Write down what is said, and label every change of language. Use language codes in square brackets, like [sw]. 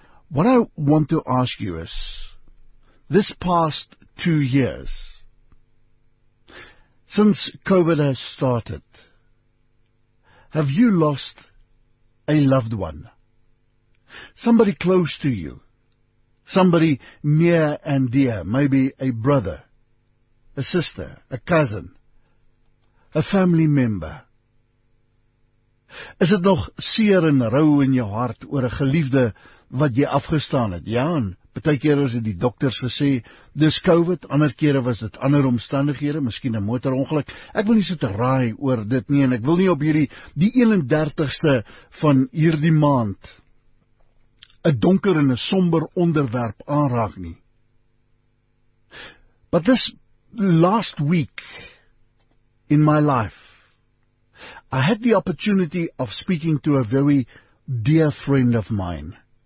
[en] What I want to ask you is, this past 2 years, since COVID has started, have you lost a loved one? Somebody close to you, somebody near and dear, maybe a brother, a sister, a cousin, a family member. [af] Is it nog seer en rou in jou hart oor 'n geliefde wat jy afgestaan het? Ja, en baie kere het die dokters gesê, dis COVID, ander kere was dit ander omstandighede, miskien 'n motorongeluk. Ek wil nie so te raai oor dit nie, en ek wil nie op die 31ste van hierdie maand 'n donker en 'n somber onderwerp aanraak nie. [en] But this last week in my life, I had the opportunity of speaking to a very dear friend of mine.